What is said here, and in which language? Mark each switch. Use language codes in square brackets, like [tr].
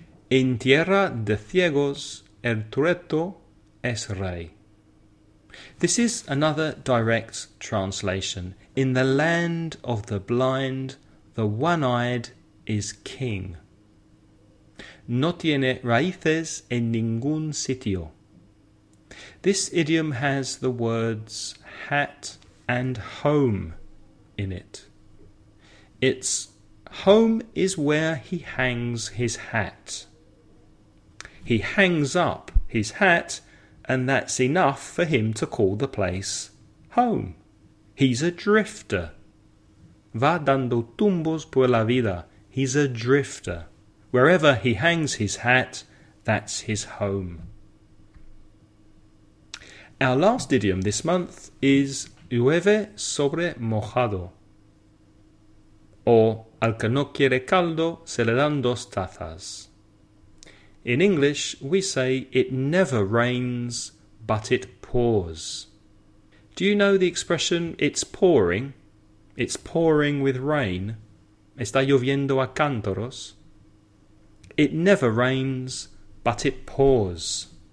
[es] En tierra de ciegos, el tuerto es rey. [en] This is another direct translation. In the land of the blind, the one-eyed is king. [es] No tiene raíces en ningún sitio. [en] This idiom has the words hat and home in it. It's home is where he hangs his hat. He hangs up his hat, and that's enough for him to call the place home. He's a drifter. [es] Va dando tumbos por la vida. [en] He's a drifter. Wherever he hangs his hat, that's his home. Our last idiom this month is [es] llueve sobre mojado. Or al que no quiere caldo se le dan dos tazas. [en] In English, we say it never rains, but it pours. Do you know the expression, it's pouring? It's pouring with rain. [es] Está lloviendo a cántaros. [en] It never rains, but it pours.